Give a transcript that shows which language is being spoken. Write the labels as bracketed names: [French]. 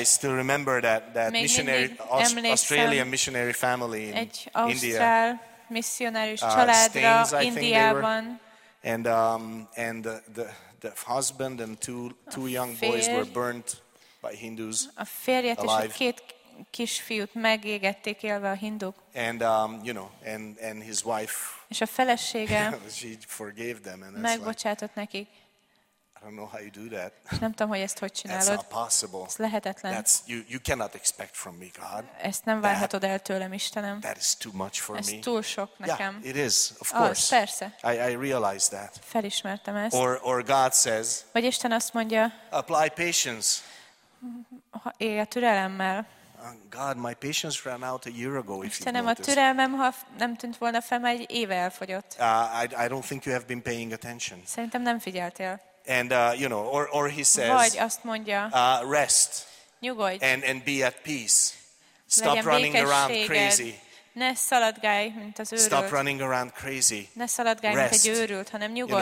[English] I still remember that missionary Australian missionary family in [Hungarian] egy [English] India. [Hungarian] Egy ausztrál misszionárius családra Indiában. [English] And the husband and two young boys were burnt by Hindus. [Hungarian] A férjet és a két kisfiút megégették élve a hinduk. [English] And his wife. [Hungarian] És a felesége [English] she forgave them, and [Hungarian] megbocsátott [English] like, [Hungarian] nekik. [English] I don't know how you do that. [Hungarian] És nem tudom, hogy ezt hogy csinálod. [English] That's not possible. [Hungarian] Ez lehetetlen. [English] That's, you cannot expect from me, God. [Hungarian] Ezt nem várhatod el tőlem, Istenem. [English] That is too much for [Hungarian] ez [English] me. [Hungarian] Ez túl sok nekem. [English] Yeah, it is, of course. [Hungarian] Oh, persze. [English] I realize that. [Hungarian] Felismertem ezt. [English] Or God says, [Hungarian] vagy Isten azt mondja, [English] apply patience. [Hungarian] Élj a türelemmel. [English] God, my patience ran out a year ago. [Hungarian] Istenem, a türelmem, ha nem tűnt volna fel, már egy éve elfogyott. [English] I don't think you have been paying attention. [Hungarian] Szerintem nem figyeltél. [English] And you know, or he says. [Hungarian] Vagy azt mondja. [English] Rest. [Hungarian] Nyugodj. [English] And be at peace. Stop running around crazy. [Hungarian] Ne szaladgálj, mint az őrült. [English] Stop running around crazy. [Hungarian] Ne szaladgálj, mint egy őrült, hanem nyugodj.